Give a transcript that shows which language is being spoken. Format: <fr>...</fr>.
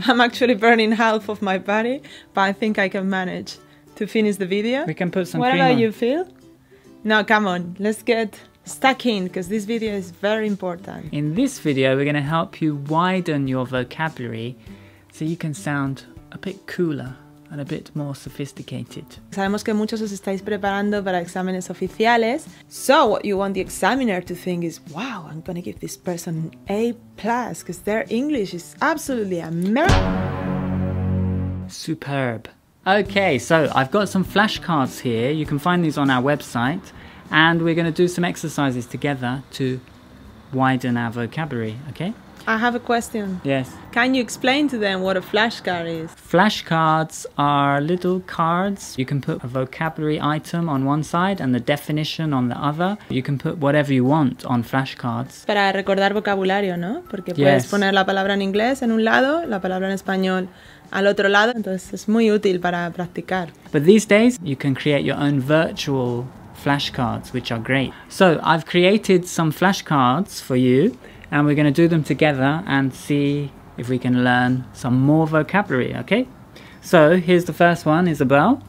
<en>I'm actually burning half of my body, but I think I can manage to finish the video. We can put some cream on. Whatever you feel. No, come on, let's get stuck in, because this video is very important. In this video, we're going to help you widen your vocabulary so you can sound a bit cooler and a bit more sophisticated.</en> <es>Sabemos que muchos os estáis preparando para exámenes oficiales.</es> <en>So what you want the examiner to think is, wow, I'm going to give this person an A+, because their English is absolutely amazing. Superb. Okay, so I've got some flashcards here. You can find these on our website. And we're going to do some exercises together to widen our vocabulary, okay? I have a question. Yes. Can you explain to them what a flashcard is? Flashcards are little cards. You can put a vocabulary item on one side and the definition on the other. You can put whatever you want on flashcards.</en> <es>Para recordar vocabulario, ¿no? Porque</es> <en>yes.</en> <es>Puedes poner la palabra en inglés en un lado, la palabra en español al otro lado. Entonces es muy útil para practicar.</es> <en>But these days, you can create your own virtual flashcards, which are great. So I've created some flashcards for you, and we're going to do them together and see if we can learn some more vocabulary, okay? So here's the first one, Isabel.</en>